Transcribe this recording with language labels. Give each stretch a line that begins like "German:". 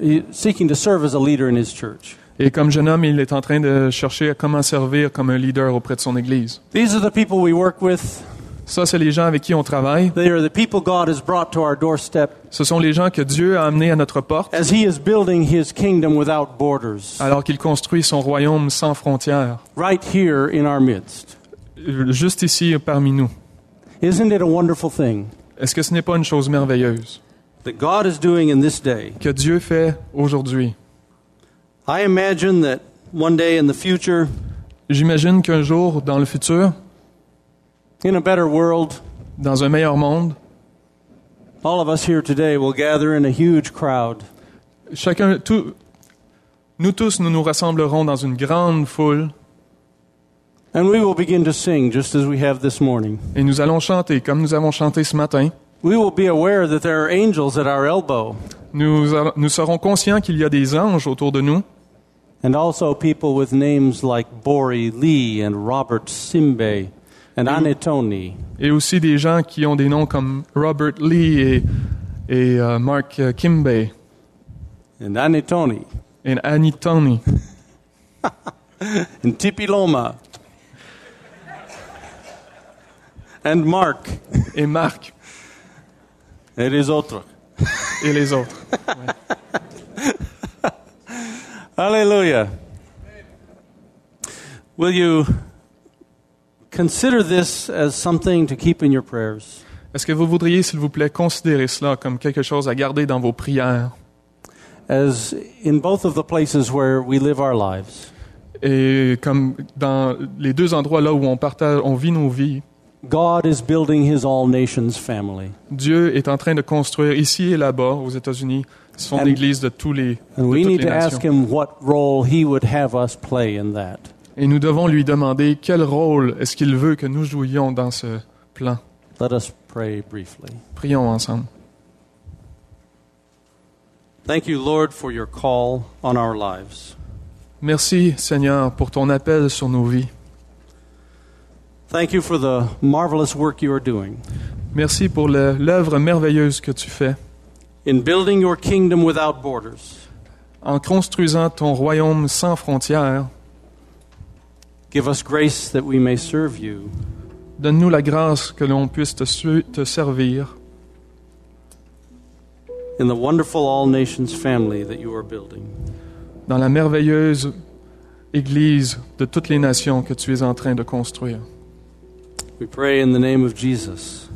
English: Seeking to serve as a leader in his church.
French: Et comme jeune homme, il est en train de chercher à comment servir comme un leader auprès de son église.
English: These are the people we work with.
French: Ça, c'est les gens avec qui on travaille.
English: They are the people God has brought to our doorstep.
French: Ce sont les gens que Dieu a amenés à notre porte.
English: As he is building his kingdom without borders.
French: Alors qu'il construit son royaume sans frontières.
English: Right here in our midst.
French: Juste ici parmi nous.
English: Isn't it a wonderful thing?
French: Est-ce que ce n'est pas une chose merveilleuse?
English: That God is doing in this day.
French: Que Dieu fait aujourd'hui.
English: I imagine that one day in the future.
French: J'imagine qu'un jour dans le futur.
English: In a better world.
French: Dans un meilleur monde.
English: All of us here today will gather in a huge crowd.
French: Chacun, tout, nous tous, nous nous rassemblerons dans une grande foule.
English: And we will begin to sing just as we have this morning.
French: Et nous allons chanter comme nous avons chanté ce matin.
English: We will be aware that there are angels at our elbow.
French: Nous serons conscients qu'il y a des anges autour de nous.
English: And also people with names like Bori Lee and Robert Simbe and Anetoni.
French: Et aussi des gens qui ont des noms comme Robert Lee et Mark Kimbe.
English: And Anetoni. And Anetoni. And Tippi Loma. And Mark.
French: Et Mark. Et les autres. Et les autres. Alléluia.
English: Will you consider this as something to keep in your prayers?
French: Est-ce que vous voudriez, s'il vous plaît, considérer cela comme quelque chose à garder dans vos prières?
English: As in both of the places where we live our lives.
French: Et comme dans les deux endroits là où on partage, on vit nos vies.
English: God is building his all nations family.
French: Dieu est en train de construire ici et là-bas aux États-Unis son église de tous les nations.
English: We need to ask him what role he would have us play in that.
French: Et nous devons lui demander quel rôle est-ce qu'il veut que nous jouions dans ce plan.
English: Let us pray briefly.
French: Prions ensemble.
English: Thank you, Lord, for your call on our lives.
French: Merci, Seigneur, pour ton appel sur nos vies.
English: Thank you for the marvelous work you are doing.
French: Merci pour l'œuvre merveilleuse que tu fais.
English: In building your kingdom without borders.
French: En construisant ton royaume sans frontières.
English: Give us grace that we may serve you.
French: Donne-nous la grâce que l'on puisse te servir.
English: In the wonderful all nations family that you are building.
French: Dans la merveilleuse église de toutes les nations que tu es en train de construire.
English: We pray in the name of Jesus.